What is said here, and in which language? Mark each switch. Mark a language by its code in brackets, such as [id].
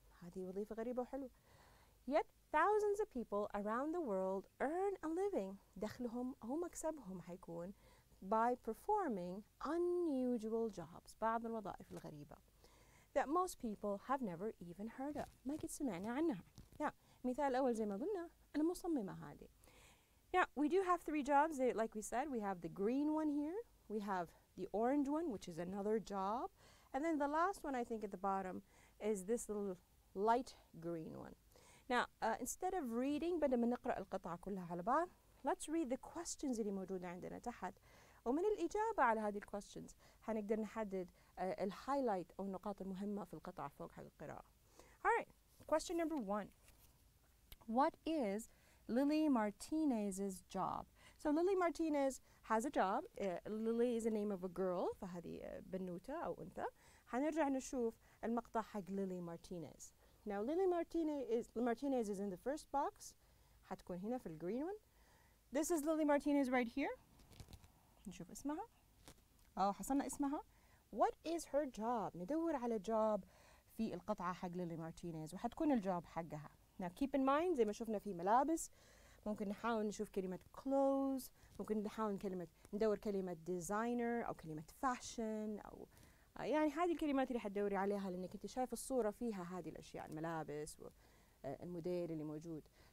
[ar] هذه وظيفة غريبة وحلوة. [en] Yet thousands of people around the world earn a living, [ar] دخلهم أو مكسبهم حيكون, [en] by performing unusual jobs, [ar] بعض الوظائف الغريبة, [en] that most people have never even heard of. [ar] ما قد سمعنا عنها. Yeah, مثال أول زي ما قلنا, أنا مصممة هذه. [en] Yeah, we do have three jobs. Like we said, we have the green one here. We have the orange one, which is another job. And then the last one, I think, at the bottom is this little light green one. Now, instead of reading, [ar] بدل ما نقرأ القطعة كلها على بعض, [en] let's read the questions [ar] اللي موجودة عندنا تحت. ومن الإجابة على هذه questions, هنقدر نحدد الهايلايت أو النقاط المهمة في القطعة فوق حق القراءة. [en] Alright, question number one. What is Lily Martinez's job? So Lily Martinez has a job. Lily is the name of a girl. [ar] فهذه بنوتة أو أنثى. هنرجع نشوف المقطع حق Lily Martinez. [en] Now Lily Martinez is in the first box. [ar] هتكون هنا في الجرين one. [en] This is Lily Martinez right here. [ar] نشوف اسمها. أو حصلنا اسمها. [en] What is her job? [ar] ندور على job في القطعة حق Lily Martinez. وحتكون الجوب حقها. [en] Now keep in mind, [ar] زي ما شفنا في ملابس, ممكن نحاول نشوف كلمة clothes, ممكن نحاول ندور كلمة designer أو كلمة fashion أو يعني هذه الكلمات اللي حتدوري عليها لأنك أنت شايف الصورة فيها هذه الأشياء الملابس والموديل اللي موجود.